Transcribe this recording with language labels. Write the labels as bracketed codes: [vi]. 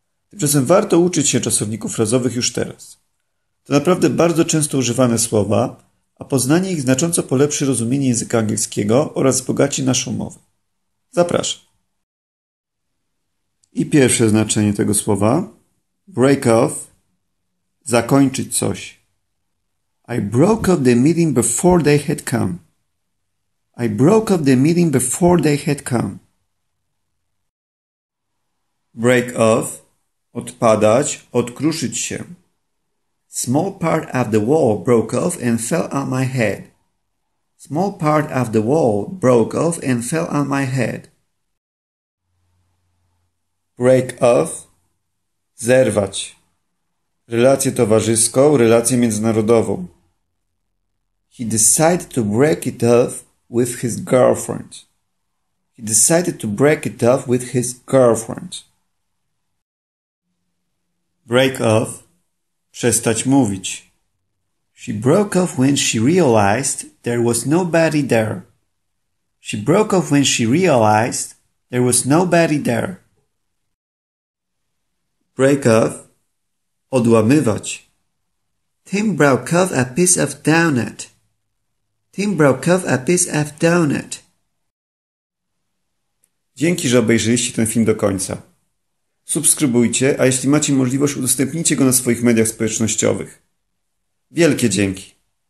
[pl] Tymczasem warto uczyć się czasowników frazowych już teraz. To naprawdę bardzo często używane słowa, a poznanie ich znacząco polepszy rozumienie języka angielskiego oraz wzbogaci naszą mowę. Zapraszam. I pierwsze znaczenie tego słowa, break off, zakończyć coś. [en] I broke off the meeting before they had come. I broke off the meeting before they had come. [pl] Break off, odpadać, odkruszyć się. [en] Small part of the wall broke off and fell on my head. Small part of the wall broke off and fell on my head. [pl] Break off, zerwać. Relację towarzyską, relację międzynarodową. [en] He decided to break it off with his girlfriend. He decided to break it off with his girlfriend. [pl] Break off, przestać mówić. [en] She broke off when she realized there was nobody there. She broke off when she realized there was nobody there. Break off, [pl] odłamywać. [en] Tim broke off a piece of donut. Tim broke off a piece of donut. [pl] Dzięki, że obejrzeliście ten film do końca. Subskrybujcie, a jeśli macie możliwość, udostępnijcie go na swoich mediach społecznościowych. Wielkie dzięki!